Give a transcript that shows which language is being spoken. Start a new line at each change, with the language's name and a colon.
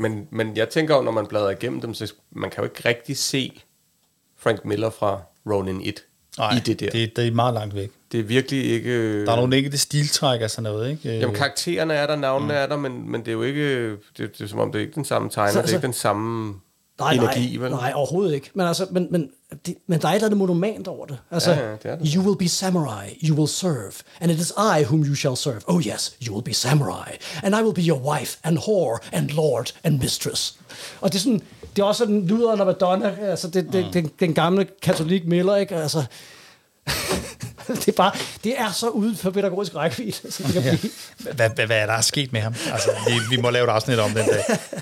Danish: Men jeg tænker jo, når man bladrer igennem dem, så man kan jo ikke rigtig se Frank Miller fra Ronin 1 i det der. Det er meget langt væk. Det er virkelig ikke. Der er nogle enkelte stiltræk og sådan noget, ikke? Jamen, karaktererne er der, navnene er der, men det er jo ikke. Det er som om, det er ikke den samme tegner, det er ikke den samme energi. Nej, overhovedet ikke. Men der er et eller andet monument over det. Altså, ja, det er det.
English: You will be samurai, you will serve, and it is I whom you shall serve. Oh yes, you will be samurai, and I will be your wife, and whore, and lord, and mistress.
Danish: Og det er sådan, det er også sådan lyderen af Madonna, altså den gamle katolik Miller, ikke? Altså, det er så uden for pædagogisk rækkevidde. Hvad er der sket med ham? Altså, vi må lave et afsnit om den dag.